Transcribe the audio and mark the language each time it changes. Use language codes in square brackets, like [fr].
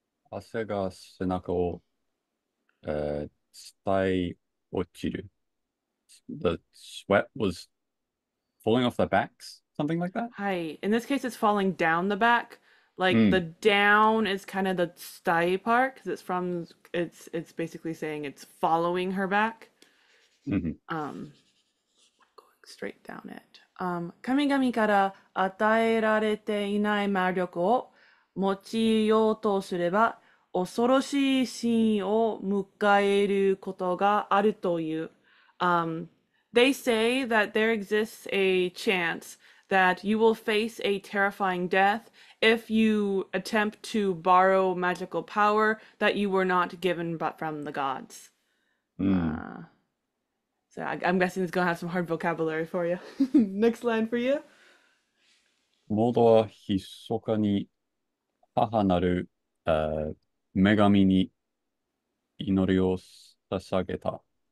[ja] 汗が背中を、伝い落ちる。 [en] The sweat was falling off their backs, something like that? Hi. In this case, it's falling down the back. Like the down is kind of the sty part because it's basically saying it's following her back. Straight down it. [ja] 神々から与えられていない魔力を用いようとすれば、恐ろしいシーンを迎えることがあるという。 [en] They say that there exists a chance that you will face a terrifying death if you attempt to borrow magical power that you were not given but from the gods. So I'm guessing it's gonna have some hard vocabulary for you. Next line for you. [ja] モードはひそかに母なる、女神に祈りを捧げた。